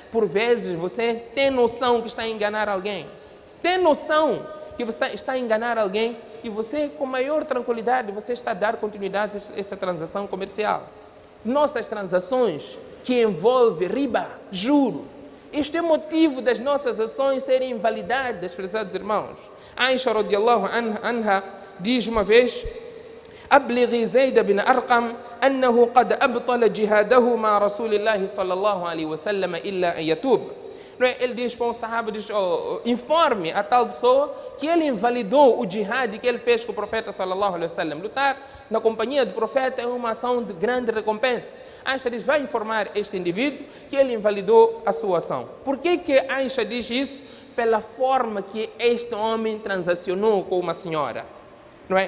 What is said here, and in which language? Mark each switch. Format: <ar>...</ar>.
<pt>Por vezes você tem noção que está a enganar alguém. Tem noção que você está a enganar alguém e você, com maior tranquilidade, você está a dar continuidade a esta transação comercial. Nossas transações que envolvem riba, juro, isto é motivo das nossas ações serem invalidadas, prezados irmãos. Aisha radiallahu anha diz uma vez:</pt> <ar>أبلغي زيد بن أرقم أنه قد أبطل جهاده مع رسول الله صلى الله عليه وسلم إلا أن يتوب.</ar> <pt>Ele diz para um sahaba, diz, informe a tal pessoa que ele invalidou o jihad que ele fez com o profeta sallallahu alaihi wasallam. Lutar na companhia do profeta é uma ação de grande recompensa. Aisha diz, vai informar este indivíduo que ele invalidou a sua ação. Por que Aisha diz isso? Pela forma que este homem transacionou com uma senhora. Não é?</pt>